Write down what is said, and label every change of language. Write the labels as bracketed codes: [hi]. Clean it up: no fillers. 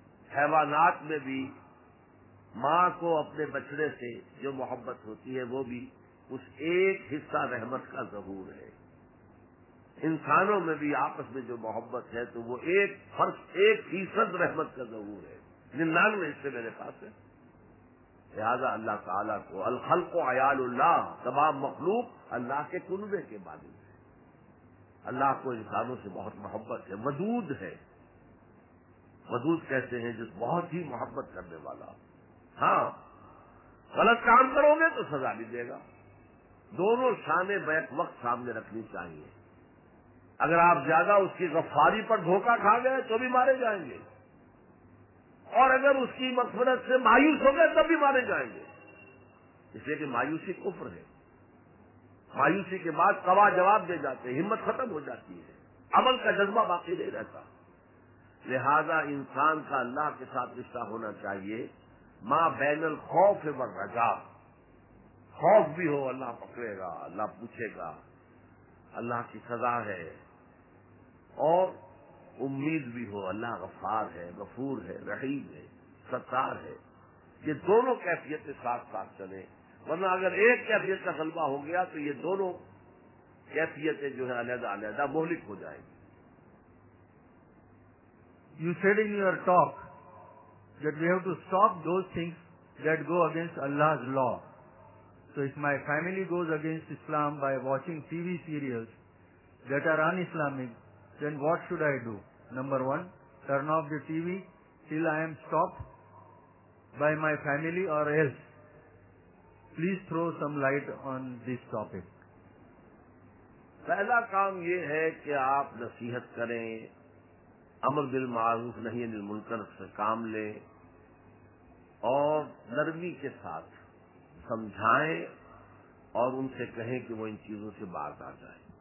[ur] حیوانات میں بھی ماں کو اپنے بچڑے سے جو محبت ہوتی ہے وہ بھی اس ایک حصہ رحمت کا ظہور ہے, انسانوں میں بھی آپس میں جو محبت ہے تو وہ ایک فرق ایک فیصد رحمت کا ظہور ہے, 99 حصے میرے پاس ہے. لہذا اللہ تعالیٰ کو [ar] الخلق و عیال اللہ, [ur] تمام مخلوق اللہ کے کنبے کے بارے میں, اللہ کو انسانوں سے بہت محبت ہے, ودود ہے. ودود کہتے ہیں جس بہت ہی محبت کرنے والا. ہاں غلط کام کرو گے تو سزا بھی دے گا. دونوں شانیں بیک وقت سامنے رکھنی چاہیے. اگر آپ زیادہ اس کی غفاری پر دھوکہ کھا گئے تو بھی مارے جائیں گے, اور اگر اس کی مغفرت سے مایوس ہو گئے تب بھی مارے جائیں گے. اس لیے کہ مایوسی کفر ہے. مایوسی کے بعد قوا جواب دے جاتے, ہمت ختم ہو جاتی ہے, عمل کا جذبہ باقی نہیں رہتا. لہذا انسان کا اللہ کے ساتھ رشتہ ہونا چاہیے, [ar] ما بین الخوف و رجا, [ur] خوف بھی ہو اللہ پکڑے گا, اللہ پوچھے گا, اللہ کی سزا ہے, اور امید بھی ہو اللہ غفار ہے, غفور ہے, رحیم ہے, ستار ہے. یہ دونوں کیفیتیں ساتھ ساتھ چلیں, ورنہ اگر ایک کیفیت کا غلبہ ہو گیا تو یہ دونوں کیفیتیں جو ہے علیحدہ علیحدہ مہلک ہو جائیں گی. [en] You said in your talk that we have to stop those things that go against اللہ لا. So if my family goes against Islam by watching TV serials that are un-Islamic, then what should I do? Number one, turn off the TV till I am stopped by my family or else. Please throw some light on this topic. [ur] پہلا کام یہ ہے کہ آپ نصیحت کریں, امر بالمعروف نہی عن المنکر سے کام لیں, اور نرمی کے ساتھ سمجھائیں اور ان سے کہیں کہ وہ ان چیزوں سے باہر آ جائیں.